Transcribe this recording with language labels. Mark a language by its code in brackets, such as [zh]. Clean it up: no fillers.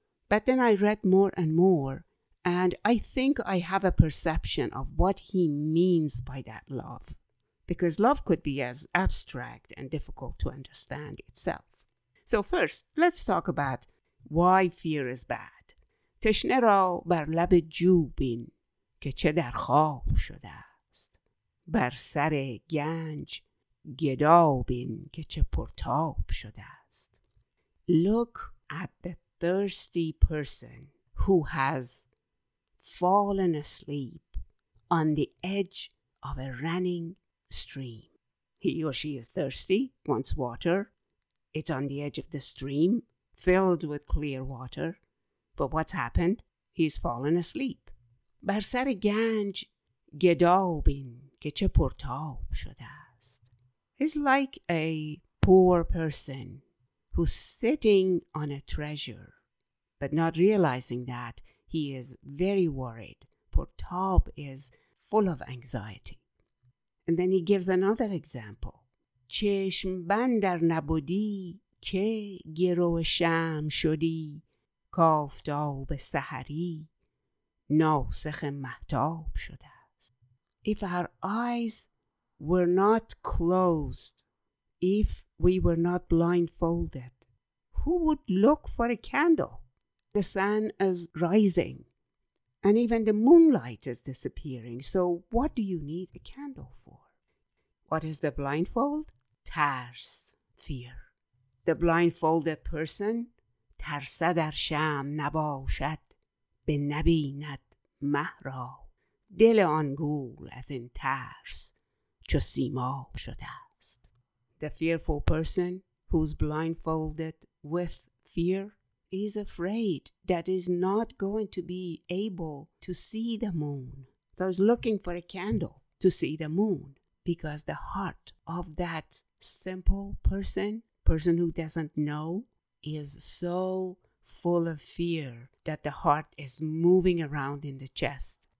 [en] But then I read more and more, and I think I have a perception of what he means by that love. Because love could be as abstract and difficult to understand itself. So first, let's talk about why fear is bad. [fa] تشنه را بر لب جو بین که چه در خواب شده است. بر سر گنج گدا بین که چه پرتاب شده است. [en] Look at the thirsty person who has fallen asleep on the edge of a running stream. He or she is thirsty, wants water. It's on the edge of the stream, filled with clear water. But what's happened? He's fallen asleep. [fa] بر سر گنج گدا بین که چه پرتاب شده است. [en] He's like a poor person who's sitting on a treasure, but not realizing that he is very worried, for Taub is full of anxiety. And then he gives another example. [fa] چشم بندر نبودی که گرو شام شدی کافتاب سحری ناسخ مهتاب شده است. [en] If our eyes were not closed, if we were not blindfolded, who would look for a candle? The sun is rising and even the moonlight is disappearing. So what do you need a candle for? What is the blindfold? ترس, fear. The blindfolded person, [fa] ترسه در شام نباشد به نبیند مهرا دل آن گول از این ترس چو سیماب شده است. [en] The fearful person who's blindfolded with fear is afraid that is not going to be able to see the moon. So he's looking for a candle to see the moon, because the heart of that simple person who doesn't know, is so full of fear that the heart is moving around in the chest.